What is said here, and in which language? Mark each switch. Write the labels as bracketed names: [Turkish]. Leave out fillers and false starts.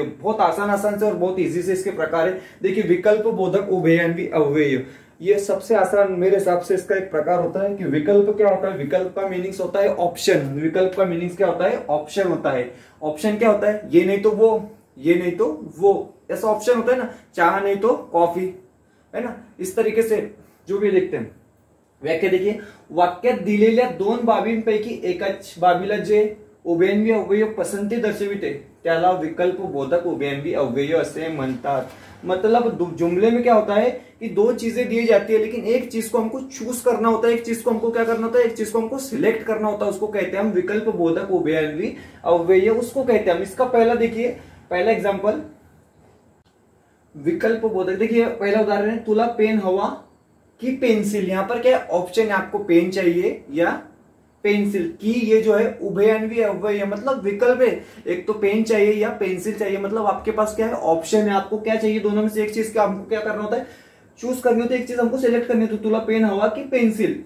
[Hindi] बहुत आसान आसान से और बहुत इजी से इसके प्रकार है। देखिए विकल्प बोधक उभयान्वी अव्यय, ये सबसे आसान मेरे हिसाब से इसका एक प्रकार होता है कि विकल्प क्या होता है, विकल्प का मीनिंग्स होता है ऑप्शन। विकल्प का मीनिंग्स क्या होता है, ऑप्शन होता है। ऑप्शन क्या होता है, ये नहीं तो वो, ये नहीं तो वो, ऐसा ऑप्शन होता है ना, चाह नहीं तो कॉफी, है ना, इस तरीके से जो भी देखते हैं। [Marathi] व्याख्या देखिए, वाक्यात दिलेल्या दोन बाबींपैकी एकाच बाबीला जे उभयान्वी अव्यय पसंती दर्शविते त्याला विकल्प बोधक उभयान्वी अव्यय असे म्हणतात। [Hindi] मतलब जुमले में क्या होता है कि दो चीजें दी जाती है, लेकिन एक चीज को हमको चूज करना होता है, एक चीज को हमको क्या करना होता है, एक चीज को हमको सिलेक्ट करना होता है, उसको कहते हैं हम विकल्प बोधक उभयान्वी अव्यय, उसको कहते हैं हम। इसका पहला देखिए, पहला एग्जाम्पल विकल्प बोधक, देखिए पहला उदाहरण है [Marathi] तुला पेन हवा की पेंसिल, [Hindi] यहां पर क्या ऑप्शन है, आपको पेन चाहिए या पेंसिल की, ये जो है उभयान्वी अव्यय, मतलब विकल्प है, एक तो पेन चाहिए या पेंसिल चाहिए, मतलब आपके पास क्या है ऑप्शन है, आपको क्या चाहिए दोनों में से एक चीज, क्या हमको क्या करना होता है, चूज करनी होती है, एक चीज हमको सिलेक्ट करनी होती है, तुला पेन हवा की पेंसिल।